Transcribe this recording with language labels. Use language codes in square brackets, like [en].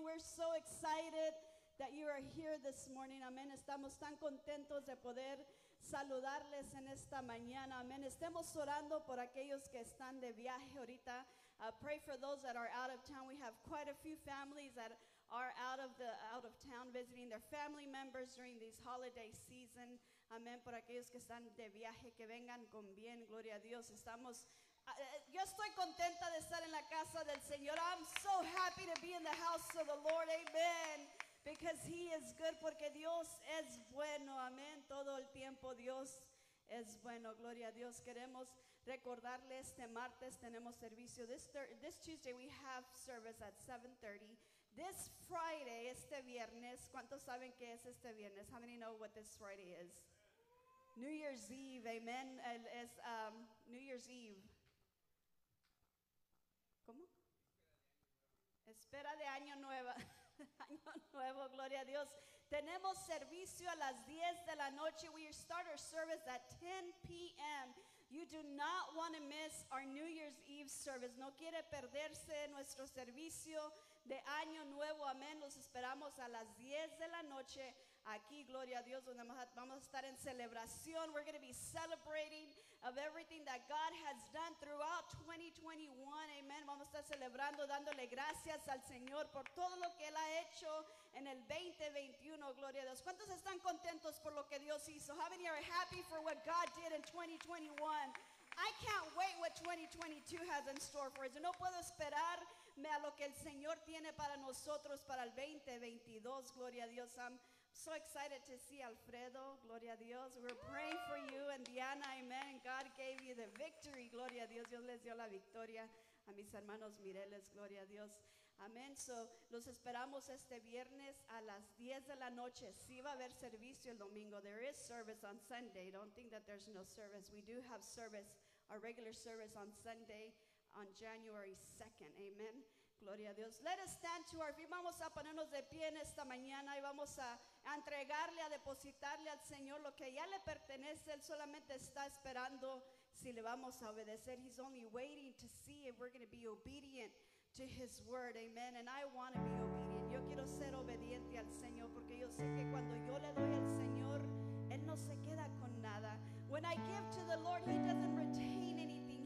[en] We're so excited that you are here this morning. Amen. [es] Estamos tan contentos de poder saludarles en esta mañana. Amen. Estemos orando por aquellos que están de viaje ahorita. [en] Pray for those that are out of town. We have quite a few families that are out of town visiting their family members during this holiday season. Amen. [es] Por aquellos que están de viaje, que vengan con bien. Gloria a Dios. Yo estoy contenta de estar en la casa del Señor. [en] I'm so happy to be in the house of the Lord. Amen. Because he is good, [es] porque Dios es bueno, amén. Todo el tiempo Dios es bueno, gloria a Dios. Queremos recordarle este martes tenemos servicio. [en] This Tuesday we have service at 7:30. This Friday, [es] este viernes, ¿cuántos saben qué es este viernes? [en] How many know what this Friday is? New Year's Eve, amen. New Year's Eve. [es] ¿Cómo? Espera de año nuevo. Año nuevo, gloria a Dios. Tenemos servicio a las 10 de la noche. [en] We start our service at 10 p.m. You do not want to miss our New Year's Eve service. [es] No quiere perderse nuestro servicio de año nuevo, amén. Los esperamos a las 10 de la noche aquí, gloria a Dios, donde vamos a estar en celebración. [en] We're going to be celebrating of everything that God has done throughout 2021, amén. [es] Vamos a estar celebrando, dándole gracias al Señor por todo lo que Él ha hecho en el 2021, gloria a Dios. ¿Cuántos están contentos por lo que Dios hizo? [en] How many are happy for what God did in 2021? I can't wait what 2022 has in store for us. [es] No puedo esperarme a lo que el Señor tiene para nosotros para el 2022. Gloria a Dios. [en] I'm so excited to see Alfredo. Gloria a Dios. We're praying for you and Diana. Amen. God gave you the victory. [es] Gloria a Dios. Dios les dio la victoria a mis hermanos Mireles. Gloria a Dios. Amén. So, los esperamos este viernes a las 10 de la noche. Sí va a haber servicio el domingo. [en] There is service on Sunday. Don't think that there's no service. We do have service, our regular service on Sunday, on January 2nd. [es] Amén. Gloria a Dios. [en] Let us stand to our feet. [es] Vamos a ponernos de pie en esta mañana y vamos a entregarle, a depositarle al Señor lo que ya le pertenece. Él solamente está esperando si le vamos a obedecer. [en] He's only waiting to see if we're going to be obedient to his word, amen. And I want to be obedient. [es] Yo quiero ser obediente al Señor porque yo sé que cuando yo le doy al Señor, Él no se queda con nada. [en] When I give to the Lord, He doesn't retain anything.